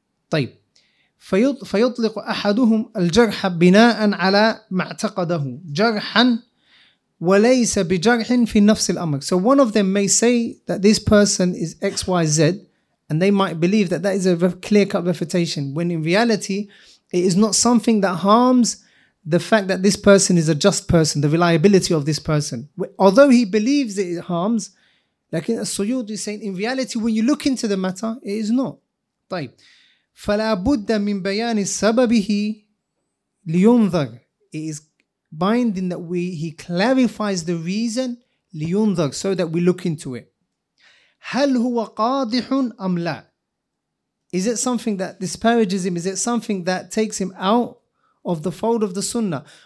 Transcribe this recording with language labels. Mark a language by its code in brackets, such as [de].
[ar] طيب فيطلق أحدهم الجرح بناء على ما اعتقده جرحا وليس بجرح في نفس الأمر. [en] So one of them may say that this person is XYZ, and they might believe that that is a clear-cut refutation, when in reality it is not something that harms the fact that this person is a just person, the reliability of this person. Although he believes it harms, like Saeed is saying, in reality when you look into the matter, it is not. [ar] طيب فلا بد من بيان سببه لينظر. [en] It is binding that he clarifies the reason لينظر, so that we look into it. [ar] هل هو قاضح أم لا? [en] Is it something that disparages him? Is it something that takes him out of the fold of the sunnah?